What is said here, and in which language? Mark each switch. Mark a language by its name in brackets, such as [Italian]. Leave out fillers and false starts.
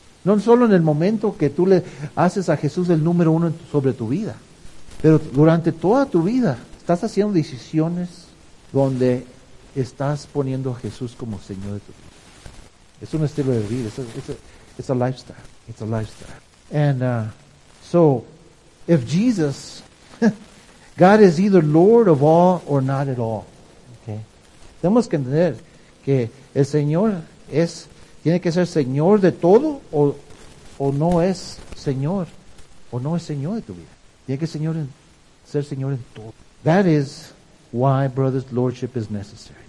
[Spanish] No solo en el momento que tú le haces a Jesús el número uno sobre tu vida, pero durante toda tu vida estás haciendo decisiones donde estás poniendo a Jesús como Señor de tu vida. Es un estilo de vida. [English] It's a lifestyle. And so, if Jesus, God is either Lord of all or not at all. Okay. [Spanish] Tenemos que entender que el Señor es, tiene que ser Señor de todo o no es Señor de tu vida. Tiene que ser Señor en todo. [English] That is why, brothers, lordship is necessary.